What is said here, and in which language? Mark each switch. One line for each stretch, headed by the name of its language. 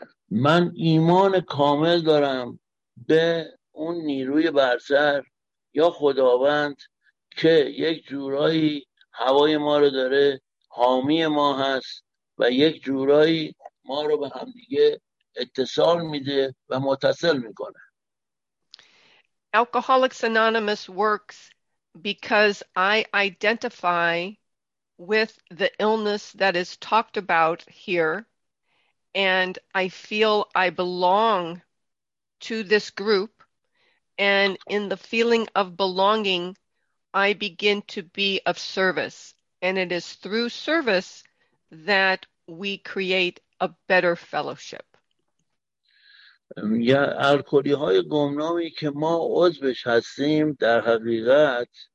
Persian: من ایمان کامل دارم به اون نیروی برتر یا خداوند که یک جورایی هوای ما رو داره، حامی ما هست و یک جورایی ما رو به همدیگه اتصال میده و متصل میکنه.
English: Alcoholics Anonymous works because I identify with the illness that is talked about here, and I feel I belong to this group, and in the feeling of belonging, I begin to be of service. And it is through service that we create a better fellowship.
Persian: یا الکلی های گمنامی که ما عضوش هستیم در حقیقت